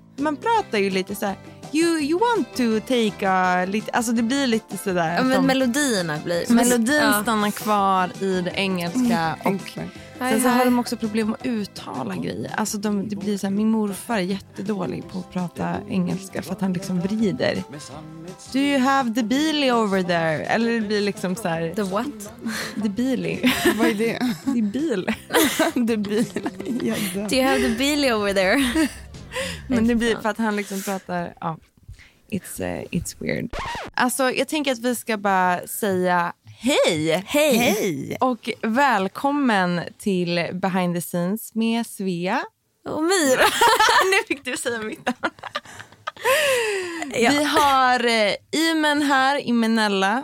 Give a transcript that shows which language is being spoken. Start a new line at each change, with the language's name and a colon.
Swedish: Man pratar ju lite så här
English: you want to take a lite,
Swedish: alltså det blir lite så där. Ja, men melodierna blir. Melodin stannar kvar i det engelska och sen så har de också problem att uttala grejer. Alltså det blir så här, min morfar är jättedålig på att prata engelska för att han liksom vrider.
English: Do you have the Beely over there?
Swedish: Eller det blir liksom så här,
English: the what? The Beely.
Swedish: Vad är det?
English: The Beel. The Beel. Do you have the Beely over there?
Swedish: Men det blir för att han liksom pratar, ja.
English: It's weird.
Swedish: Alltså jag tänker att vi ska bara säga hej! Hej! Hej! Och välkommen till Behind the Scenes med Svea. Och Mira. Nu fick du säga mitt namn. Ja. Vi har Imen här, Imenella.